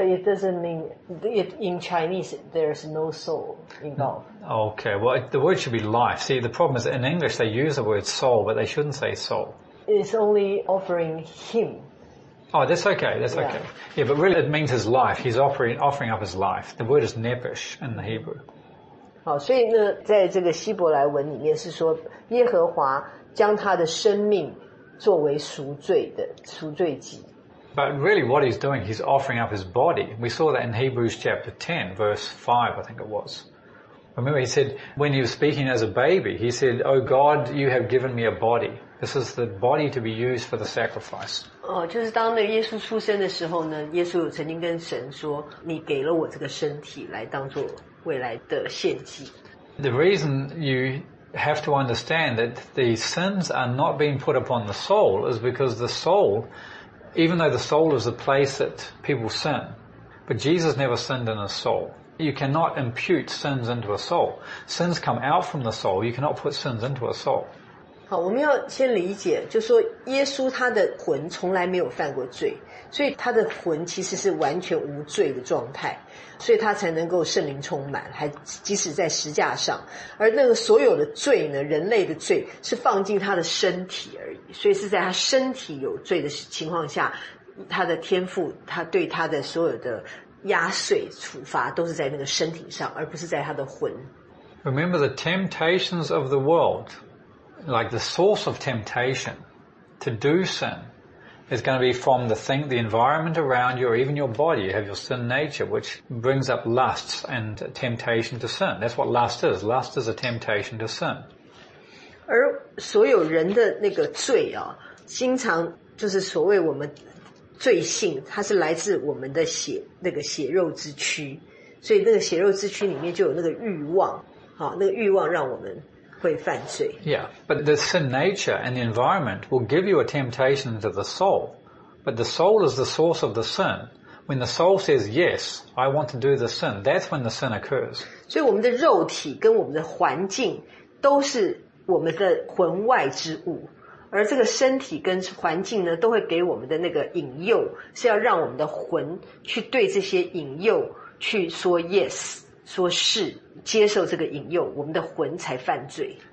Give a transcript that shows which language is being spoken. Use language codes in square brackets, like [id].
[en] But it doesn't mean, in Chinese, there's no soul involved. Okay, well, the word should be life. See, the problem is in English, they use the word soul, but they shouldn't say soul. It's only offering him. Oh, that's okay, that's okay. Yeah. Yeah, but really it means his life. He's offering up his life. The word is nephesh in the Hebrew. [zh] 好，所以呢，在这个希伯来文里面是说，耶和华将他的生命作为赎罪的赎罪祭。 [en] But really what he's doing, he's offering up his body. We saw that in Hebrews chapter 10, verse 5, I think it was. Remember he said, when he was speaking as a baby, he said, Oh God, you have given me a body. This is the body to be used for the sacrifice. [zh] Oh, 就是当那耶稣出生的时候呢，耶稣有曾经跟神说，你给了我这个身体来当作未来的献祭。 [en] The reason you have to understand that the sins are not being put upon the soul is because the soul, even though the soul is the place that people sin, but Jesus never sinned in his soul. You cannot impute sins into a soul. Sins come out from the soul. You cannot put sins into a soul. [zh] 好，我们要先理解，就是说耶稣他的魂从来没有犯过罪，所以他的魂其实是完全无罪的状态，所以他才能够圣灵充满，还即使在十架上，而那个所有的罪呢，人类的罪是放进他的身体而已，所以是在他身体有罪的情况下，他的天父他对他的所有的压碎处罚都是在那个身体上，而不是在他的魂。 [en] Remember the temptations of the worldLike the source of temptation to do sin is going to be from the thing, the environment around you or even your body. You have your sin nature which brings up lusts and temptation to sin. That's what lust is. Lust is a temptation to sin. [zh] 而所有人的那个罪啊，经常就是所谓我们罪性，它是来自我们的血，那个血肉之躯。所以那个血肉之躯里面就有那个欲望，好，那个欲望让我们会犯罪。 [en] Yeah, but the sin nature and the environment will give you a temptation to the soul. But the soul is the source of the sin. When the soul says, yes, I want to do the sin, that's when the sin occurs. [zh] 所以我们的肉体跟我们的环境都是我们的魂外之物。而这个身体跟环境呢，都会给我们的那个引诱，是要让我们的魂去对这些引诱去说 yes. 说是接受这个引诱，我们的魂才犯罪。